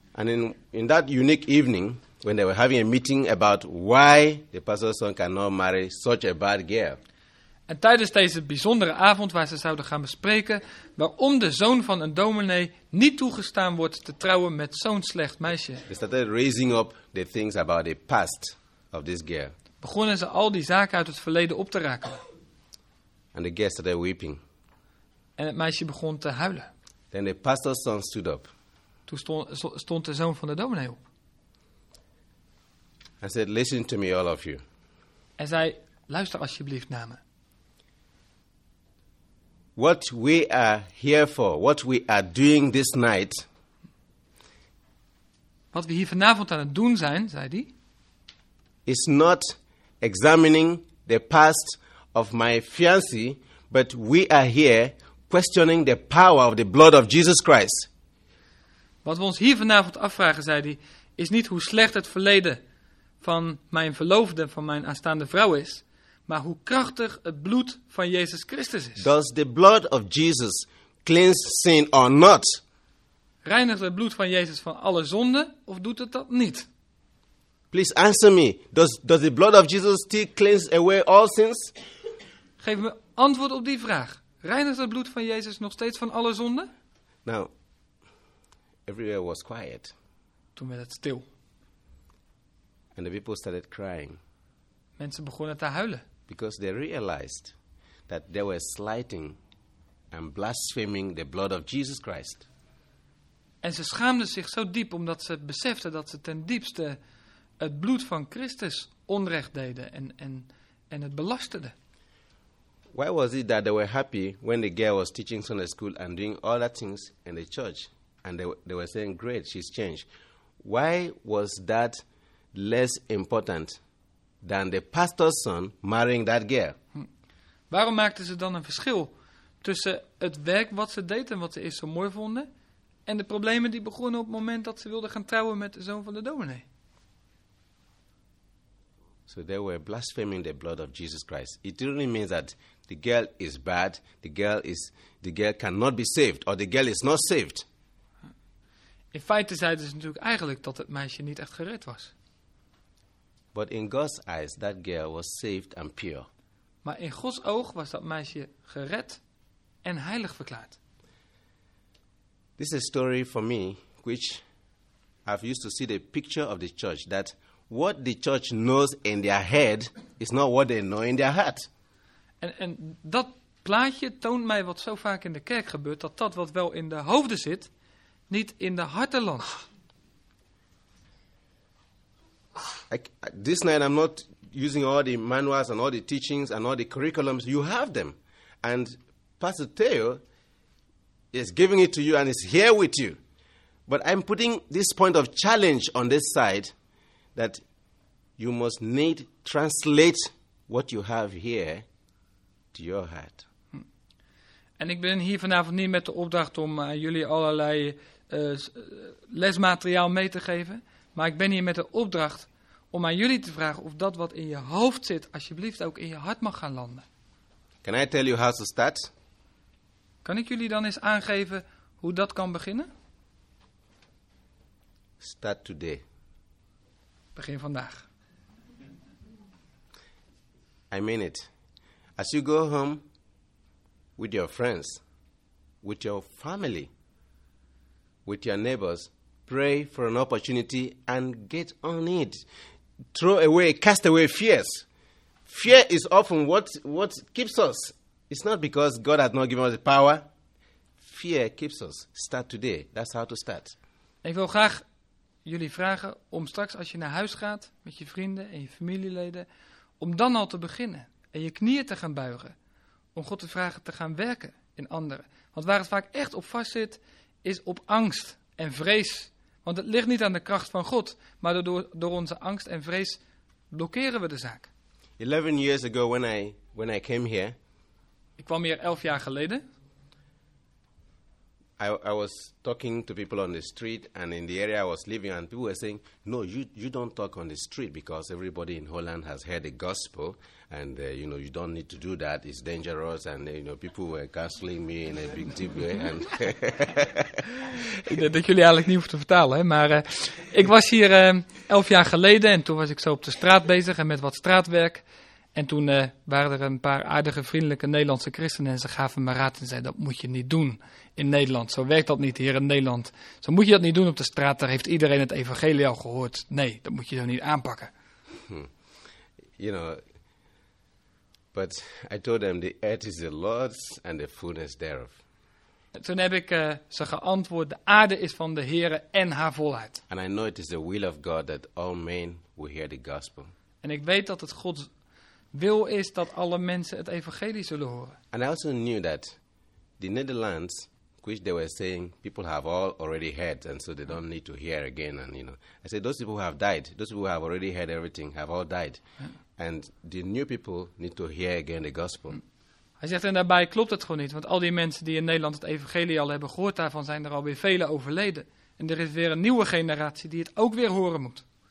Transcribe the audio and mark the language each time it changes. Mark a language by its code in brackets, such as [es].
[en] And in that unique evening, when they were having a meeting about why the pastor's son cannot marry such a bad girl. [nl] En tijdens deze bijzondere avond waar ze zouden gaan bespreken waarom de zoon van een dominee niet toegestaan wordt te trouwen met zo'n slecht meisje. [en] They started raising up the things about the past of this girl. [nl] Begonnen ze al die zaken uit het verleden op te raken. [en] And the girl started weeping. [nl] En het meisje begon te huilen. [en] Then the pastor's son stood up. [nl] Toen stond de zoon van de dominee op. [en] I said, listen to me, all of you. [nl] En zei, luister alsjeblieft naar me. [en] What we are here for, what we are doing this night. [nl] Wat we hier vanavond aan het doen zijn, zei die. [en] Is not examining the past of my fiancé, but we are here questioning the power of the blood of Jesus Christ. [nl] Wat we ons hier vanavond afvragen, zei die, is niet hoe slecht het verleden van mijn verloofde, van mijn aanstaande vrouw is. Maar hoe krachtig het bloed van Jezus Christus is. [en] Does the blood of Jesus cleanse sin or not? [nl] Reinigt het bloed van Jezus van alle zonden of doet het dat niet? [en] Please answer me. Does the blood of Jesus still cleanse away all sins? [nl] Geef me antwoord op die vraag. Reinigt het bloed van Jezus nog steeds van alle zonden? [en] Now, everywhere was quiet. [nl] Toen werd het stil. [en] And the people started crying. [nl] Mensen begonnen te huilen. [en] Because they realized that they were slighting and blaspheming the blood of Jesus Christ. [nl] En ze schaamden zich zo diep omdat ze beseften dat ze ten diepste het bloed van Christus onrecht deden en het belasterden. [en] Why was it that they were happy when the girl was teaching Sunday school and doing all that things in the church? And they were saying, great, she's changed. Why was that less important than the pastor's son marrying that girl? [nl] Waarom maakte ze dan een verschil tussen het werk wat ze deed en wat ze eerst zo mooi vonden en de problemen die begonnen op het moment dat ze wilde gaan trouwen met de zoon van de dominee? [en] So they were blaspheming the blood of Jesus Christ. It really means that the girl is bad, the girl cannot be saved, or the girl is not saved. [nl] In feite zeiden ze natuurlijk eigenlijk dat het meisje niet echt gered was. [en] But in God's eyes, that girl was saved and pure. [nl] Maar in Gods oog was dat meisje gered en heilig verklaard. [en] This is a story for me, which I've used to see the picture of the church, that what the church knows in their head is not what they know in their heart. [nl] En dat plaatje toont mij wat zo vaak in de kerk gebeurt, dat wat wel in de hoofden zit, Niet in de harteland. [en] This night I'm not using all the manuals and all the teachings and all the curriculums. You have them. And Pastor Theo is giving it to you and is here with you. But I'm putting this point of challenge on this side that you must need translate what you have here to your heart. [nl] En ik ben hier vanavond niet met de opdracht om jullie allerlei lesmateriaal mee te geven. Maar ik ben hier met de opdracht om aan jullie te vragen of dat wat in je hoofd zit, alsjeblieft ook in je hart mag gaan landen. [en] Can I tell you how to start? [nl] Kan ik jullie dan eens aangeven hoe dat kan beginnen? [en] Start today. [nl] Begin vandaag. [en] I mean it. As you go home with your friends, with your family, with your neighbors, pray for an opportunity and get on it. Throw away, cast away fears. Fear is often what keeps us. It's not because God has not given us the power. Fear keeps us. Start today. That's how to start. [nl] Ik wil graag jullie vragen om straks als je naar huis gaat met je vrienden en je familieleden, om dan al te beginnen en je knieën te gaan buigen. Om God te vragen te gaan werken in anderen. Want waar het vaak echt op vast zit, is op angst en vrees. Want het ligt niet aan de kracht van God. Maar door onze angst en vrees blokkeren we de zaak. [en] 11 years ago when I came here. [nl] Ik kwam hier 11 jaar geleden. [en] I was talking to people on the street and in the area I was living. And people were saying, no, you don't talk on the street because everybody in Holland has heard the gospel. And, you know, you don't need to do that. It's dangerous. And, you know, people were counseling me in a big deep way. [nl] Ik denk dat jullie eigenlijk niet hoeven te vertalen. Hè? Maar ik was hier 11 jaar geleden en toen was ik zo op de straat bezig en met wat straatwerk. En toen waren er een paar aardige, vriendelijke Nederlandse christenen en ze gaven me raad en zeiden, dat moet je niet doen in Nederland. Zo werkt dat niet hier in Nederland. Zo moet je dat niet doen op de straat, daar heeft iedereen het evangelie al gehoord. Nee, dat moet je zo niet aanpakken. [en] You know, but I told them, the earth is the Lord's and the fullness thereof. [nl] Toen heb ik ze geantwoord, de aarde is van de Heere en haar volheid. [en] And I know it is the will of God that all men will hear the gospel. [nl] En ik weet dat het Gods wil is dat alle mensen het evangelie zullen horen. [en] And I also knew that the Netherlands, which they were saying, people have all already heard, and so they don't need to hear again. And, you know, I said, those people who have died, those people who have already heard everything, have all died. Yeah. And the new people need to hear again the gospel. [nl] Hij zegt, en daarbij klopt het gewoon niet, want al die mensen die in Nederland het evangelie al hebben gehoord, daarvan zijn er alweer vele overleden. En er is weer een nieuwe generatie die het ook weer horen moet.